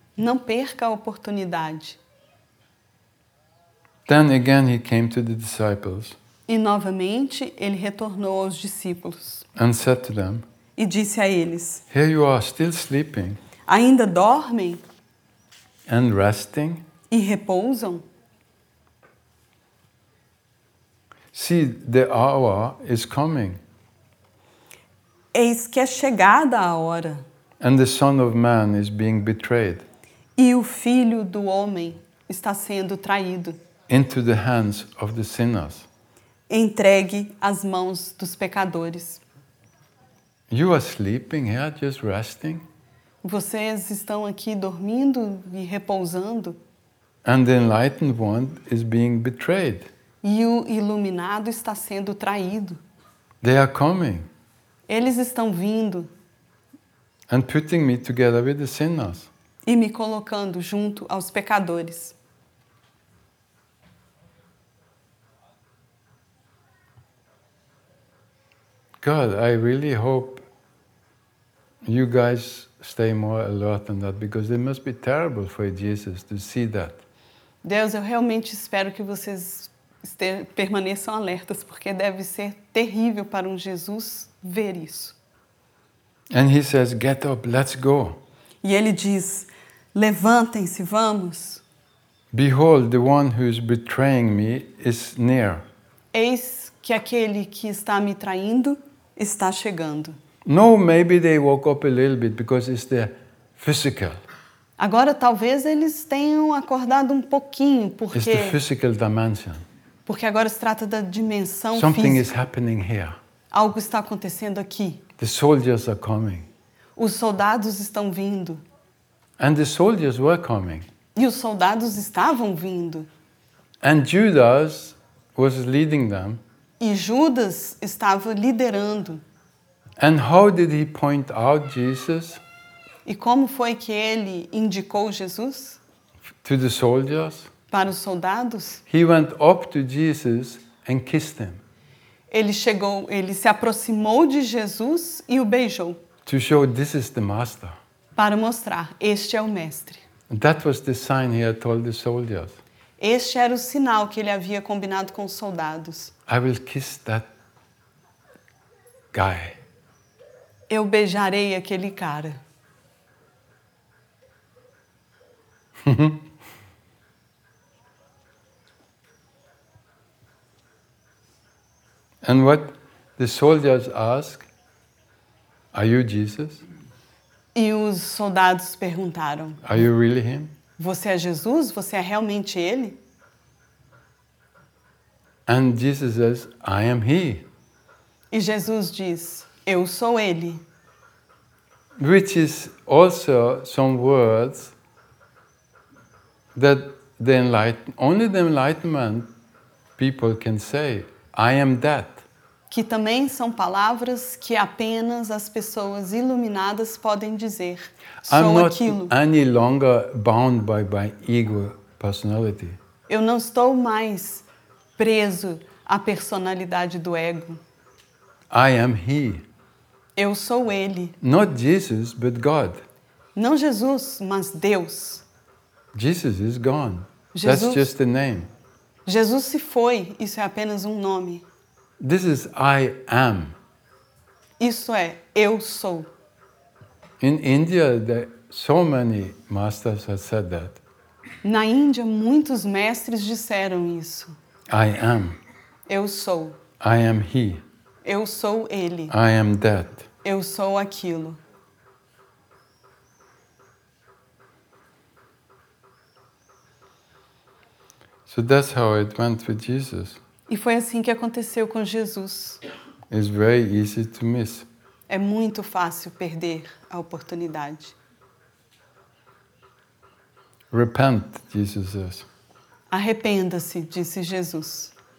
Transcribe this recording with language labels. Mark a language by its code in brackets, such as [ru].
[pt] Não perca a oportunidade. [en] Then again he came to the disciples. [pt] E novamente ele retornou aos discípulos. [en] And said to them. [pt] E disse a eles. [en] Here you are still sleeping. [pt] Ainda dormem? [en] And resting. [pt] E repousam? [en] See, the hour is coming. [pt] Eis que é chegada a hora. [en] And the Son of Man is being betrayed. [pt] E o Filho do Homem está sendo traído. [en] Into the hands of the sinners. [pt] Entregue às mãos dos pecadores. [en] You are sleeping here, just resting. [pt] Vocês estão aqui dormindo e repousando. [en] And the enlightened one is being betrayed. [pt] E o iluminado está sendo traído. [en] They are coming. [pt] Eles estão vindo. [en] And putting me together with the sinners. [pt] E me colocando junto aos pecadores. [en] God, I really hope you guys stay more alert than that, because it must be terrible for Jesus to see that. [pt] Deus, eu realmente espero que vocês permaneçam alertas, porque deve ser terrível para um Jesus ver isso. [en] And he says, get up, let's go. [pt] E ele diz, levantem-se, vamos. [en] Behold, the one who is betraying me is near. [pt] Eis que aquele que está me traindo está chegando. [en] No, maybe they woke up a little bit because it's their physical. [pt] Agora talvez eles tenham acordado um pouquinho porque [en] it's the physical dimension. [pt] Porque agora se trata da dimensão [en] something [pt] física. [en] Something is happening here. [pt] Algo está acontecendo aqui. [en] The soldiers are coming. [pt] Os soldados estão vindo. [en] And the soldiers were coming. [pt] E os soldados estavam vindo. [en] And Judas was leading them. [pt] E Judas estava liderando. [en] And how did he point out Jesus? [pt] E como foi que ele indicou Jesus? [en] To the soldiers? [pt] Para os soldados? [en] He went up to Jesus and kissed him. [pt] Ele chegou, ele se aproximou de Jesus e o beijou. [en] To show this is the master. [pt] Para mostrar, este é o mestre. [en] That was the sign he had told the soldiers. [pt] Este era o sinal que ele havia combinado com os soldados. [en] I will kiss that guy. [pt] Eu beijarei aquele cara. [en] And what the soldiers ask, are you Jesus? [pt] E os soldados perguntaram, [en] are you really him? [pt] Você é Jesus? Você é realmente ele? [en] And Jesus says, I am he. [pt] E Jesus diz, eu sou ele. [en] Which is also some words that only the enlightenment people can say, I am that. [pt] Que também são palavras que apenas as pessoas iluminadas podem dizer. Sou [en] I'm not [pt] aquilo. [en] Any longer bound by my ego personality. [pt] Eu não estou mais preso à personalidade do ego. [en] I am he. [pt] Eu sou ele. [en] Not Jesus, but God. [pt] Não Jesus, mas Deus. [en] Jesus is gone. Jesus, that's just a name. [pt] Jesus se foi, isso é apenas um nome. [en] This is I am. [pt] Isso é eu sou. [en] In India, so many masters have said that. [pt] Na Índia, muitos mestres disseram isso. [en] I am. [pt] Eu sou. [en] I am he. [pt] Eu sou ele. [en] I am that. [pt] Eu sou aquilo. [en] So that's how it went with Jesus. [pt] E foi assim que aconteceu com Jesus. [en] It's very easy to miss. [pt] É muito fácil perder a oportunidade. [en] Repent, Jesus says. [pt] Arrependa-se, disse Jesus.